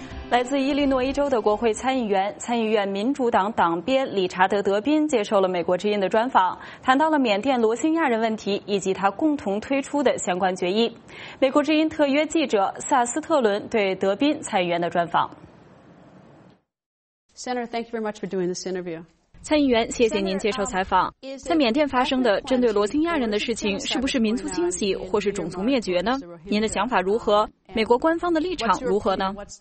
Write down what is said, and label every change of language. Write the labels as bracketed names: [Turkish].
[Chinese] 来自伊利诺伊州的国会参议员、参议院民主党党鞭理查德·德宾接受了美国之音的专访，谈到了缅甸罗兴亚人问题以及他共同推出的相关决议。美国之音特约记者萨斯特伦对德宾参议员的专访。 [English] Senator, thank you very much for doing this interview. [Chinese] 参议员，谢谢您接受采访。在缅甸发生的针对罗兴亚人的事情，是不是民族清洗或是种族灭绝呢？您的想法如何？美国官方的立场如何呢？